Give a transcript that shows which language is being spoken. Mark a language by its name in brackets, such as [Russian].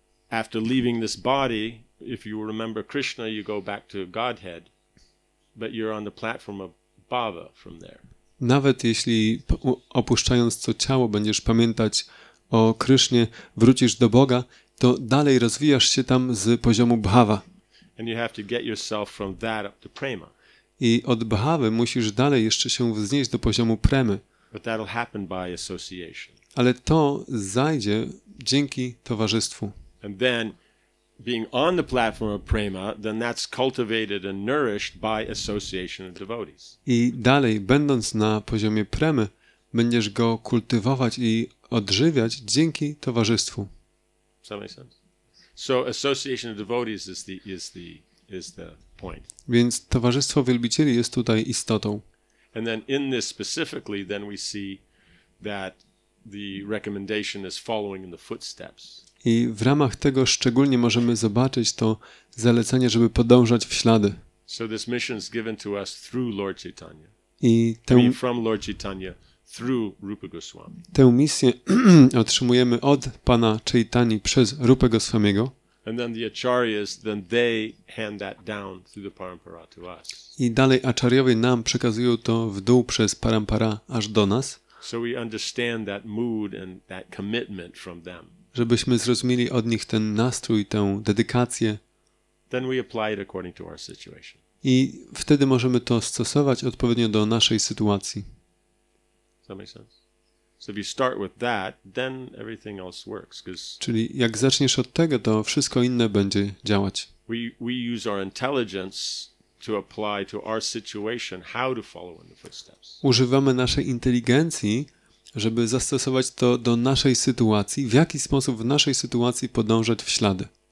[English] After leaving this body, if you remember Krishna, you go back to Godhead, but you're on the platform of Bhava from there. [Polish] Nawet jeśli opuszczając to ciało będziesz pamiętać o Krishnie, wrócisz do Boga, to dalej rozwijasz się tam z poziomu Bhava. [English] And you have to get yourself from that up to Prema. [Polish] I od Bhavy musisz dalej jeszcze się wznieść do poziomu Premy. [English] But that'll happen by association. [Polish] Ale to zajdzie dzięki towarzystwu. [English] And then being on the platform of prema, then that's cultivated and nourished by association of devotees. [Polish] I dalej, będąc na poziomie premy, będziesz go kultywować i odżywiać dzięki towarzystwu. [English] Does that make sense? So association of devotees is the point. [Polish] Więc towarzystwo wielbicieli jest tutaj istotą. [English] And then in this specifically, then we see that the recommendation is following in the footsteps. [Polish] I w ramach tego szczególnie możemy zobaczyć to zalecenie, żeby podążać w ślady. [English] So this mission is given to us through Lord Chaitanya. [Polish] I tę, [English] from Lord Chaitanya through Rupa Goswami. [Polish] Tę misję otrzymujemy od Pana Chaitani przez Rupę Goswamiego. [English] And then the acharyas, then they hand that down through the parampara to us. [Polish] I dalej acharyowie nam przekazują to w dół przez parampara aż do nas. [English] So we understand that mood and that commitment from them. [Polish] Żebyśmy zrozumieli od nich ten nastrój, tę dedykację. [English] Then we apply it according to our situation. [Polish] I wtedy możemy to stosować odpowiednio do naszej sytuacji. [English] Does that make sense? So if you start with that, then everything else works, because. [Polish] Czyli jak zaczniesz od tego, to wszystko inne będzie działać. [English] We use our intelligence to apply to our situation how to follow in the footsteps. [Polish] Używamy naszej inteligencji, żeby zastosować to do naszej sytuacji, w jaki sposób w naszej sytuacji podążać w ślady.